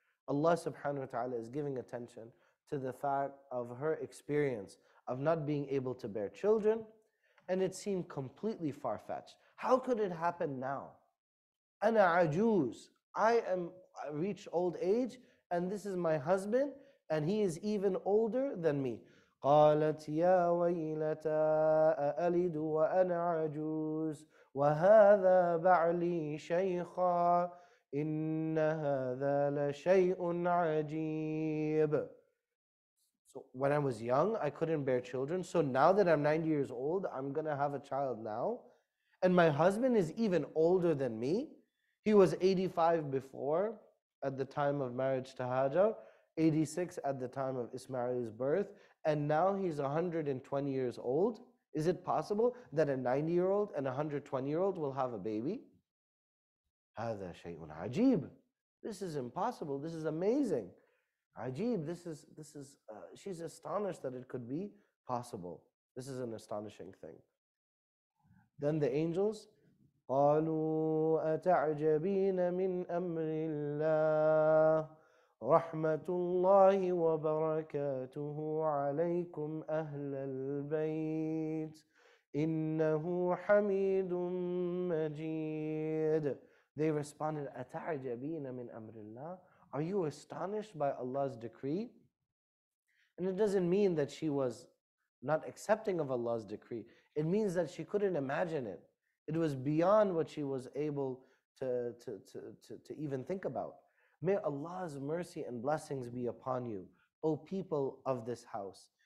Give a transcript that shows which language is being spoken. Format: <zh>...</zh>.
<en>Allah subhanahu wa ta'ala is giving attention to the fact of her experience of not being able to bear children, and it seemed completely far-fetched. How could it happen now?</en> <ar>Ana ajuz,</ar> <en>I reach old age, and this is my husband, and he is even older than me.</en> <ar>قالت يا ويلتا أألد وأنا عجوز وهذا بعلي شيخا إن هذا لشيء عجيب.</ar> <en>So when I was young, I couldn't bear children. So now that I'm 90 years old, I'm going to have a child now. And my husband is even older than me. He was 85 before, at the time of marriage to Hajar, 86 at the time of Ismail's birth, and now he's 120 years old. Is it possible that a 90-year-old and a 120-year-old will have a baby?</en> <ar>هذا شيء عجيب.</ar> <en>This is impossible. This is amazing. عجيب. This is. She's astonished that it could be possible. This is an astonishing thing. Then the angels,</en> <ar>قالوا أتعجبين من أمر الله رحمة الله وبركاته عليكم أهل البيت إنه حميد مجيد.</ar> <en>They responded,</en> <ar>أتعجبين من أمر الله.</ar> <en>Are you astonished by Allah's decree? And it doesn't mean that she was not accepting of Allah's decree. It means that she couldn't imagine it. It was beyond what she was able to even think about. May Allah's mercy and blessings be upon you, O people of this house.</en>